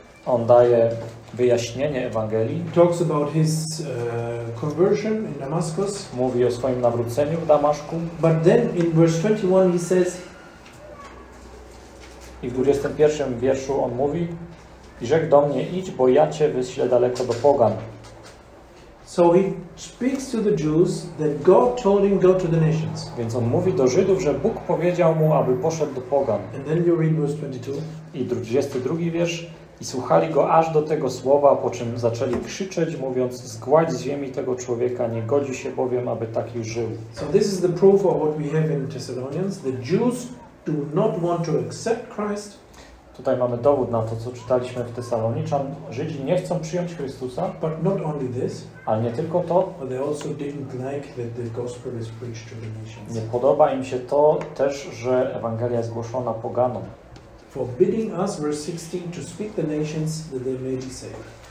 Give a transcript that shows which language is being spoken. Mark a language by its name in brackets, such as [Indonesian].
[Polish] On daje wyjaśnienie Ewangelii. [English] He talks about his conversion in Damascus. [Polish] Mówi o swoim nawróceniu w Damaszku. [English] But then in verse 21 he says, [Polish] i w 21 wierszu on mówi, i rzekł do mnie, idź, bo ja cię wyślę daleko do pogan. [English] So he speaks to the Jews that God told him go to the nations. [Polish] Więc on mówi do Żydów, że Bóg powiedział mu, aby poszedł do pogan. [English] And then you read verse 22. [Polish] I 22 wiersz. I słuchali go aż do tego słowa, po czym zaczęli krzyczeć, mówiąc, zgładź z ziemi tego człowieka, nie godzi się bowiem, aby taki żył. [English] So this is the proof of what we have in Thessalonians. The Jews do not want to accept Christ. [Polish] Tutaj mamy dowód na to, co czytaliśmy w Tesaloniczan. Żydzi nie chcą przyjąć Chrystusa, [English] but not only this, [Polish] ale nie tylko to. [English] But they also didn't like that the gospel is preached to the nations. [Polish] Nie podoba im się to też, że Ewangelia jest głoszona poganom. [English] Forbidding us, verse 16, to speak the nations that they may be saved.